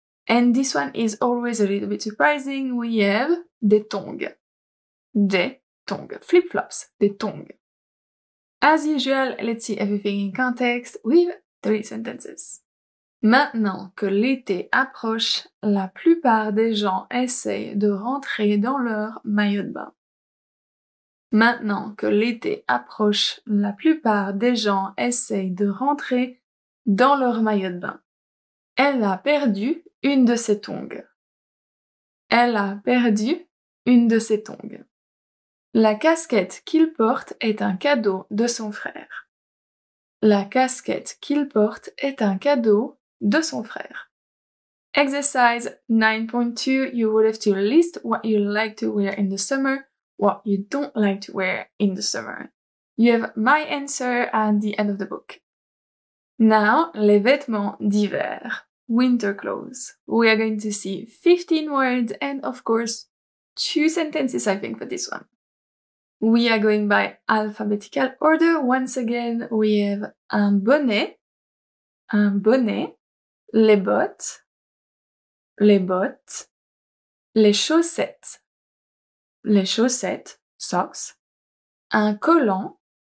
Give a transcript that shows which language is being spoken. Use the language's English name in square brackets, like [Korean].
[English] And this one is always a little bit surprising. We have des tongs, flip-flops, des tongs. As usual, let's see everything in context with three sentences. [French] Maintenant que l'été approche, la plupart des gens essayent de rentrer dans leur maillot de bain. Maintenant que l'été approche, la plupart des gens essayent de rentrer dans leur maillot de bain. Elle a perdu une de ses tongs. Elle a perdu une de ses tongs. La casquette qu'il porte est un cadeau de son frère. La casquette qu'il porte est un cadeau de son frère. [English] Exercise 9.2, you would have to list what you like to wear in the summer, what you don't like to wear in the summer. You have my answer at the end of the book. Now, les vêtements d'hiver, winter clothes. We are going to see 15 words and, of course, 2 sentences, I think, for this one. We are going by alphabetical order. Once again, we have [French] un bonnet, les bottes, les chaussettes, socks, un collant,